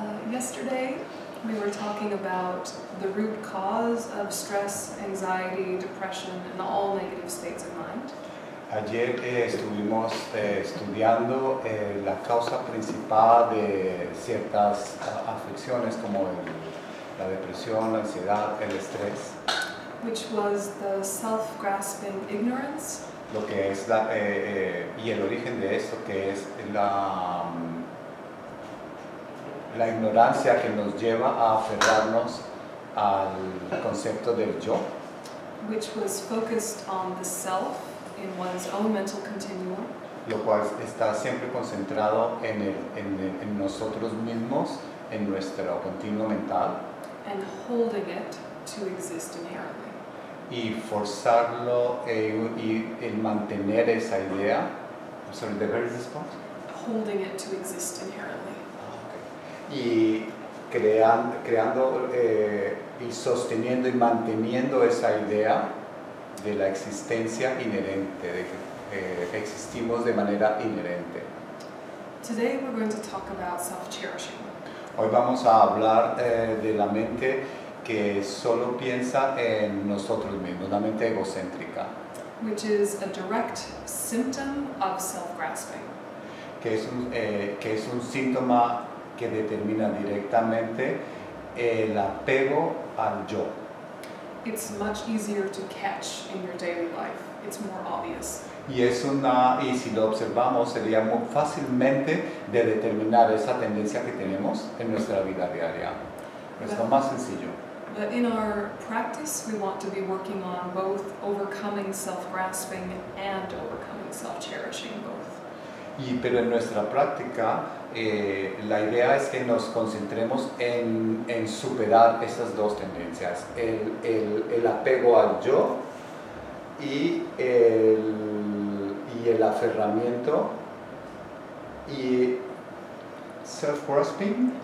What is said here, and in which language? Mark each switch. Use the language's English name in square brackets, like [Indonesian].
[English] Yesterday, we were talking about the root cause of stress, anxiety, depression, and all negative states of mind. [Spanish] Ayer estuvimos estudiando la causa principal de ciertas afecciones como la depresión, la ansiedad, el estrés. [English] Which was the self-grasping ignorance. [Spanish] Lo que es la, y el origen de esto, que es la, la ignorancia que nos lleva a aferrarnos al concepto del yo. [English] Which was focused on the self in one's own mental continuum. [Spanish] Lo cual está siempre concentrado en, el, en, el, en nosotros mismos, en nuestro continuo mental. [English] And holding it to exist inherently. [Spanish] Y forzarlo y el mantener esa idea. [English] I'm sorry, the very response. Holding it to exist inherently. [Spanish] Okay. Y creando y sosteniendo y manteniendo esa idea de la existencia inherente, de que existimos de manera inherente. [English] Today we're going to talk about self-cherishing. [Spanish] Hoy vamos a hablar de la mente que solo piensa en nosotros mismos, una mente egocéntrica. [English] Which is a direct symptom of self-grasping. [Spanish] Que es un síntoma que determina directamente el apego al yo. [English] It's much easier to catch in your daily life. It's more obvious. [Spanish] Y si lo observamos, sería muy fácilmente de determinar esa tendencia que tenemos en nuestra vida diaria. Es lo más sencillo. [English] But in our practice, we want to be working on both overcoming self-grasping and overcoming self-cherishing both. [Spanish] Y pero en nuestra práctica, la idea es que nos concentremos en superar esas dos tendencias, el apego al yo y el aferramiento y self-grasping